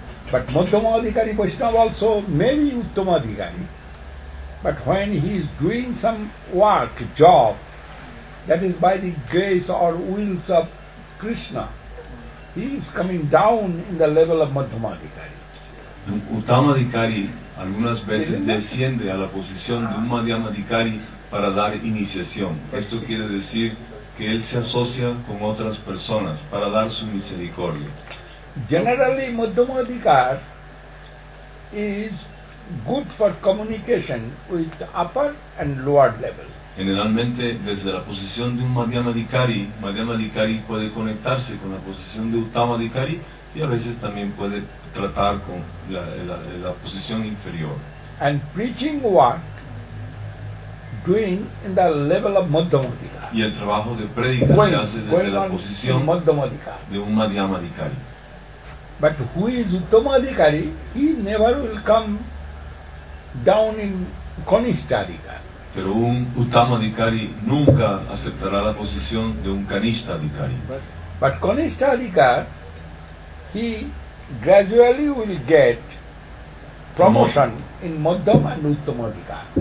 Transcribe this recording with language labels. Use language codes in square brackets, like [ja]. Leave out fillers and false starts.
[en] But Madhyama Adhikari Vaishnav also may be Uttama Adhikari. But when he is doing some work, job, that is by the grace or wills of Krishna, he is coming down in the level of Madhyama Adhikari. [es] Un Uttama Adhikari algunas veces desciende a la posición de un Madhyama Adhikari para dar iniciación. Esto quiere decir que él se asocia con otras personas para dar su misericordia. [en] Generally, Madhyama Adhikari is good for communication with upper and lower level. [es] Generalmente, desde la posición de un Madhyama Adhikari puede conectarse con la posición de Uttama Adhikari y a veces también puede tratar con la posición inferior. [en] And preaching work doing in the level of Madhyama Adhikari. [es] Y el trabajo de predicar se hace desde la posición de un Madhyama Adhikari. [en] But who is Uttama Adhikari, he never will come down in Kanishta Adhikari. [es] Pero un Uttama Adhikari nunca aceptará la posición de un Kanishta Adhikari. [en] But Kanishta Adhikari, he gradually will get promotion in Madhyam and Uttama Adhikari.